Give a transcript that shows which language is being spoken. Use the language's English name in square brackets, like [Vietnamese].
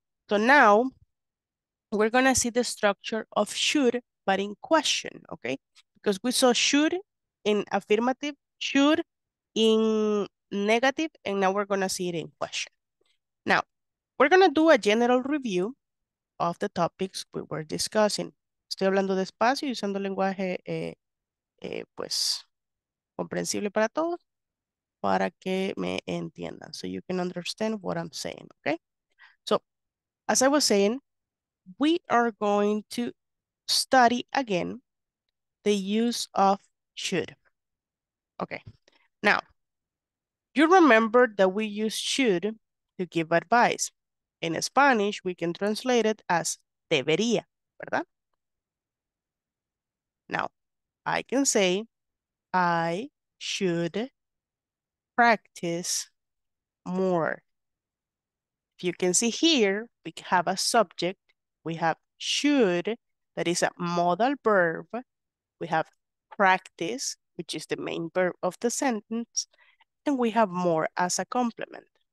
[English] So now we're going to see the structure of should, but in question, okay? Because we saw should in affirmative, should in negative, and now we're going to see it in question. Now, we're going to do a general review of the topics we were discussing. [Spanish] Estoy hablando despacio y usando lenguaje pues comprensible para todos para que me entiendan. [English] So you can understand what I'm saying, okay? So, as I was saying, we are going to study again the use of should. Okay. Now, you remember that we use should to give advice. In Spanish, we can translate it as [Spanish] debería, ¿verdad? [English] Now, I can say, I should practice more. If you can see here, we have a subject, we have should, that is a modal verb. We have practice, which is the main verb of the sentence, and we have more as a complement.